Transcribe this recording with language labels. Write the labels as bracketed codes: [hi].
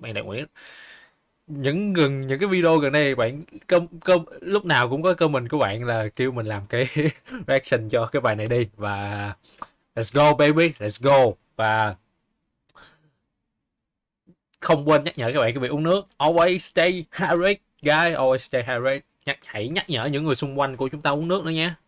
[vi] Bạn Đạt Nguyễn những cái video gần đây bạn lúc nào cũng có comment của bạn là kêu mình làm cái reaction cho cái bài này đi. Và [en] let's go baby, let's go. [vi] Và không quên nhắc nhở các bạn cái việc uống nước. [en] Always stay hydrated guys, always stay hydrated. [vi] Hãy nhắc nhở những người xung quanh của chúng ta uống nước nữa nha.